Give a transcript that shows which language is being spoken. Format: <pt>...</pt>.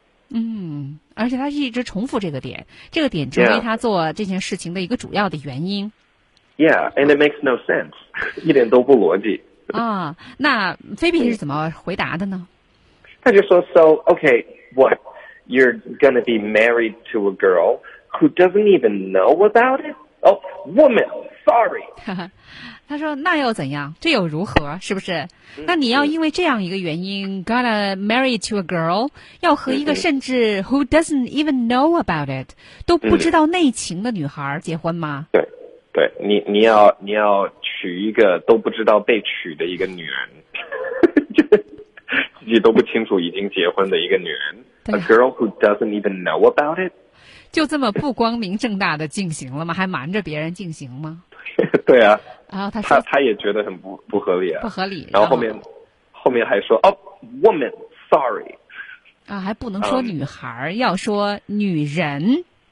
<zh>嗯，而且他一直重复这个点成为他做这件事情的一个主要的原因。</zh> <en>Yeah， and it makes no sense，</en> <zh>一点都不逻辑。啊，那菲比是怎么回答的呢？他就说</zh> <en>，So okay， what you're gonna be married to a girl who doesn't even know about it？ Oh， woman， sorry 。</en> <zh>他说那又怎样，这又如何，是不是？那你要因为这样一个原因</zh> <en>gonna marry to a girl，</en> <zh>要和一个甚至</zh> <en>who doesn't even know about it</en> <zh>都不知道内情的女孩结婚吗？对对，对你要娶一个都不知道被娶的一个女人，自己都不清楚已经结婚的一个女人。</zh> <en>A girl who doesn't even know about it，</en> <zh>就这么不光明正大的进行了吗？还瞒着别人进行吗？对啊。然后他也觉得很不合理啊，不合理。然后后面还说哦 ，</zh> <en>woman， sorry。</en> <zh>啊，还不能说女孩，要说女人。</zh>